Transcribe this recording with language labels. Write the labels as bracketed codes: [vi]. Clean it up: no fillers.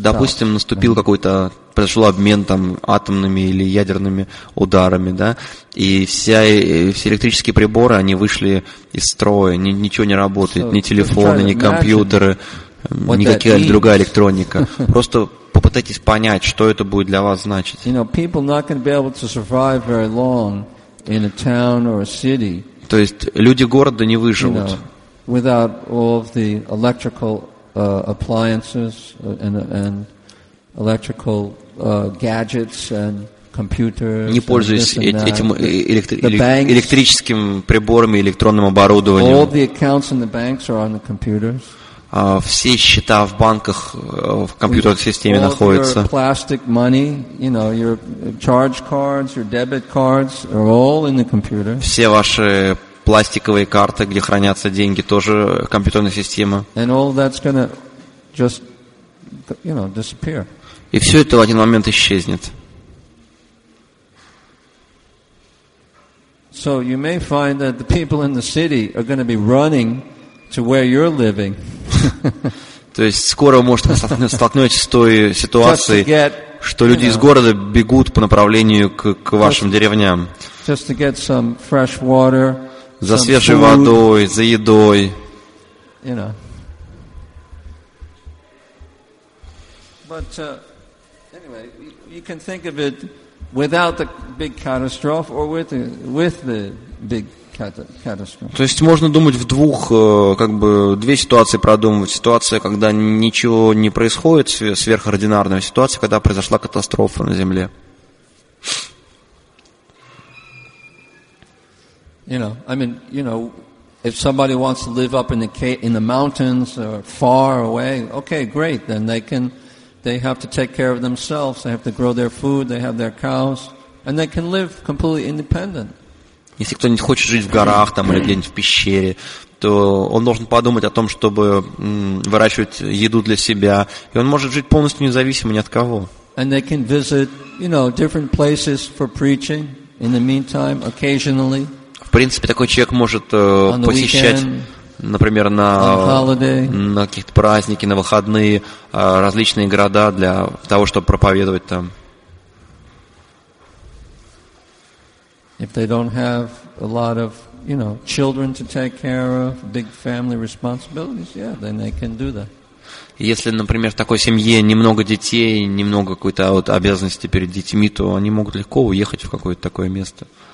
[ru] Допустим, наступил какой-то, произошел обмен там атомными или ядерными ударами, да, и все электрические приборы, они вышли из строя, ничего не работает, ни телефоны, ни компьютеры, никакая другая электроника. Просто попытайтесь понять, что это будет для вас значить. [en] People not going to be able to survive very long in a town or a city. [ru] То есть люди города не выживут. [en] Without all of the electrical appliances and electrical gadgets and computers. [ru] Не пользуясь этим электрическим приборами, электронным оборудованием. [en] All the accounts in the banks are on the computers. [ru] Все счета в банках в компьютерной системе находятся. [en] All your plastic money, your charge cards, your debit cards are all in the computer. [ru] Все ваши пластиковые карты, где хранятся деньги, тоже компьютерная система. [en] And all that's gonna just, disappear. [ru] И все это в один момент исчезнет. [en] So you may find that the people in the city are gonna be running to where you're living. [ru] То есть скоро может столкнуться с той ситуацией, что люди из города бегут по направлению к вашим деревням. [en] Just to get some fresh water. [ru] За свежей водой, за едой. [en] Anyway, you can think of it without the big catastrophe or with the big [ru] То есть можно думать в двух, как бы две ситуации продумывать. Ситуация, когда ничего не происходит, сверхординарная ситуация, когда произошла катастрофа на Земле. [en] You know, I mean, you know, if somebody wants to live up in the mountains or far away, okay, great, then they have to take care of themselves, they have to grow their food, they have their cows, and they can live completely independent. [ru] Если кто-нибудь хочет жить в горах там, или где-нибудь в пещере, то он должен подумать о том, чтобы выращивать еду для себя. И он может жить полностью независимо ни от кого. [en] And they can visit, you know, different places for preaching in the meantime, occasionally. [ru] В принципе, такой человек может посещать, например, на каких-то праздники, на выходные, различные города для того, чтобы проповедовать там. [en] If they don't have a lot of, you know, children to take care of, big family responsibilities, yeah, then they can do that. [ru] Если, например, в такой семье немного детей, немного какой-то вот обязанности перед детьми, то они могут легко уехать в какое-то такое место.